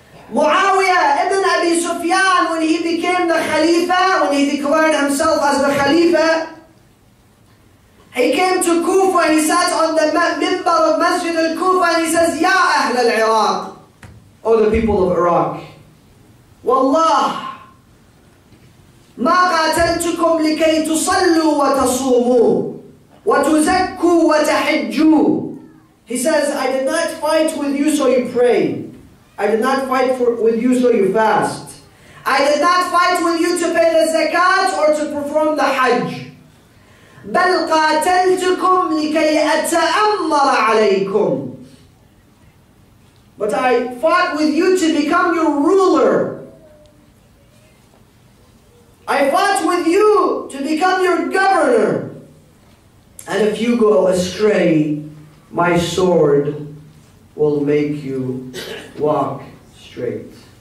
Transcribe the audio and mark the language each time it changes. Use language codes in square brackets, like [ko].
[en] Muawiyah ibn Abi Sufyan, when he became the Khalifa, when he declared himself as the Khalifa, he came to Kufa and he sat on the minbar of Masjid al-Kufa and he says, [ar] Ya Ahl al-Iraq, [en] O the people of Iraq, Wallah, [ar] ما قاتلتكم لكي تصلوا وتصوموا وتزكوا وتحجوا. [en] He says, I did not fight with you so you pray. I did not fight with you so you fast. I did not fight with you to pay the zakat or to perform the hajj. [ar] بل قاتلتكم لكي أتأمر عليكم. [en] But I fought with you to become your ruler. I fought with you to become your governor. And if you go astray, my sword will make you walk straight.